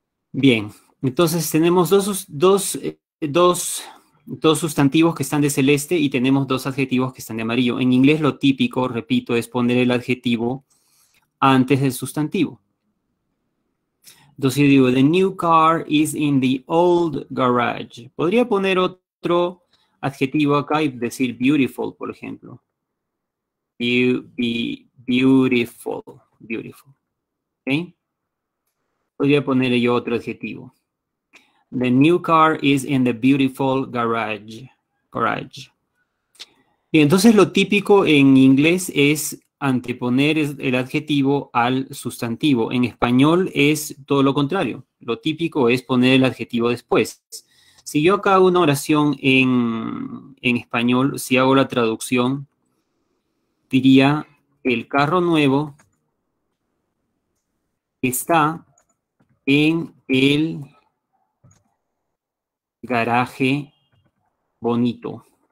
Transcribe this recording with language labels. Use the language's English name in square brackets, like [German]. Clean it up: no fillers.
[Spanish] Bien, entonces tenemos dos sustantivos que están de celeste y tenemos dos adjetivos que están de amarillo. En inglés lo típico, repito, es poner el adjetivo antes del sustantivo. Entonces yo digo, [English] the new car is in the old garage. [Spanish] Podría poner otro adjetivo acá y decir beautiful, por ejemplo. [English] Beautiful, beautiful. ¿Okay? [Spanish] Podría ponerle yo otro adjetivo. [English] The new car is in the beautiful garage. Garage. [Spanish] Bien, entonces lo típico en inglés es anteponer el adjetivo al sustantivo. En español es todo lo contrario. Lo típico es poner el adjetivo después. Si yo acá hago una oración en español, si hago la traducción, diría el carro nuevo está en el garaje bonito.